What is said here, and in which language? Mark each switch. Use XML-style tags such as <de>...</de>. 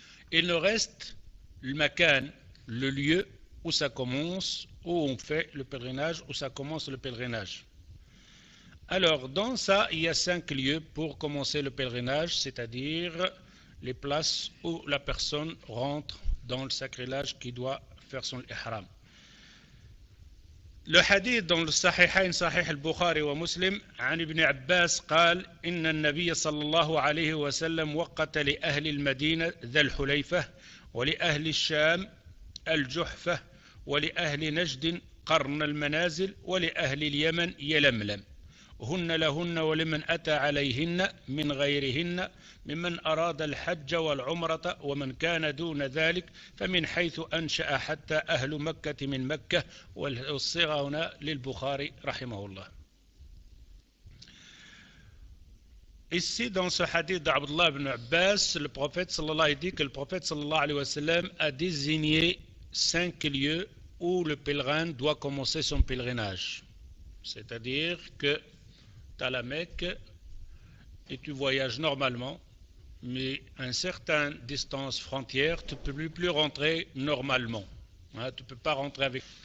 <fr>Il nous reste le Makan, le lieu où ça commence, où on fait le pèlerinage, où ça commence le pèlerinage. Alors, dans ça, il y a 5 lieux pour commencer le pèlerinage, c'est-à-dire les places où la personne rentre dans le sacrilège qui doit faire son ihram. Le hadith dans le Sahihain,</fr> <ar>Sahih al-Bukhari wa Muslim, an ibn Abbas, قال: إن النبي صلى الله عليه وسلم وقت لأهل المدينة ذا الحليفة ولأهل الشام الجحفة ولأهل نجد قرن المنازل ولأهل اليمن يلملم هن لهن ولمن أتى عليهن من غيرهن ممن أراد الحج والعمرة ومن كان دون ذلك فمن حيث أنشأ حتى أهل مكة من مكة. والصيغة هنا للبخاري رحمه الله.</ar> <fr>Ici dans ce hadith d'Abdullah ibn Abbas, le prophète sallallahu alayhi wa sallam dit que le prophète sallallahu alayhi wa sallam a désigné 5 lieux où le pèlerin doit commencer son pèlerinage. C'est-à-dire que tu as la Mecque et tu voyages normalement, mais à une certaine distance frontière, tu ne peux plus rentrer normalement. Tu peux pas rentrer avec.</fr>